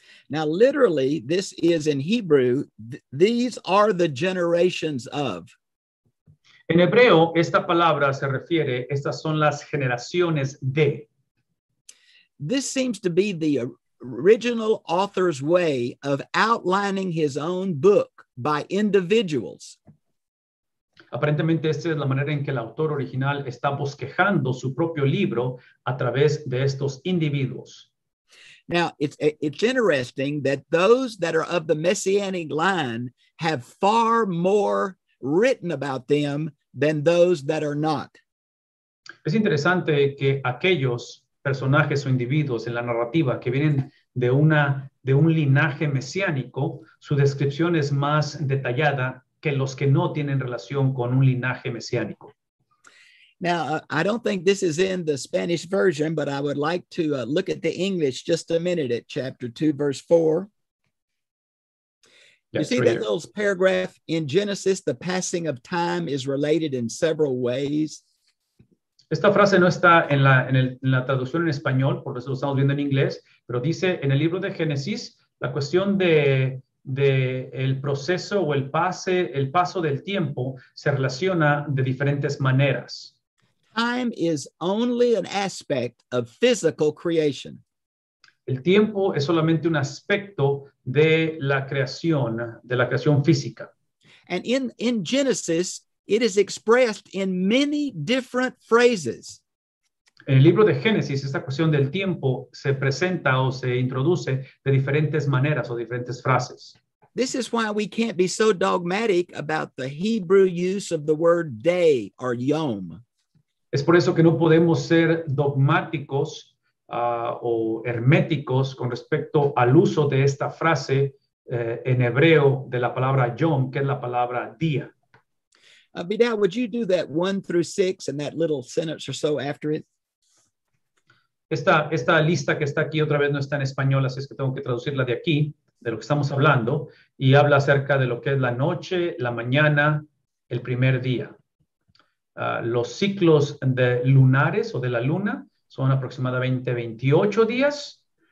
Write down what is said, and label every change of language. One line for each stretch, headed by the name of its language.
English: Now, literally, this is in Hebrew, these are the generations of.
Spanish: En hebreo, esta palabra se refiere, estas son las generaciones de.
English: This seems to be the original author's way of outlining his own book by individuals.
Spanish: Aparentemente, esta es la manera en que el autor original está bosquejando su propio libro a través de estos individuos.
English: Now, it's interesting that those that are of the Messianic line have far more written about them than those that are not.
Spanish: Es interesante que aquellos personajes o individuos en la narrativa que vienen de un linaje mesiánico, su descripción es más detallada que los que no tienen relación con un linaje mesiánico.
English: Now, I don't think this is in the Spanish version, but I would like to look at the English just a minute at chapter 2, verse 4. Yes, you see that little paragraph in Genesis, the passing of time is related in several ways.
Spanish: Esta frase no está en la traducción en español, por eso lo estamos viendo en inglés, pero dice en el libro de Génesis, la cuestión del proceso o el paso del tiempo se relaciona de diferentes maneras.
English: Time is only an aspect of physical creation.
Spanish: El tiempo es solamente un aspecto de la creación física.
English: And in Genesis, it is expressed in many different phrases.
Spanish: En el libro de Génesis, esta cuestión del tiempo se presenta o se introduce de diferentes maneras o diferentes frases.
English: This is why we can't be so dogmatic about the Hebrew use of the word day or yom.
Spanish: Es por eso que no podemos ser dogmáticos o herméticos con respecto al uso de esta frase en hebreo de la palabra yom, que es la palabra día.
English: Bidal, would you do that 1 through 6 and that little sentence or so after it?
Spanish: Esta lista que está aquí otra vez no está en español, así es que tengo que traducirla de aquí, de lo que estamos hablando, y habla acerca de lo que es la noche, la mañana, el primer día. Los ciclos de lunares o de la luna son aproximadamente 28 días.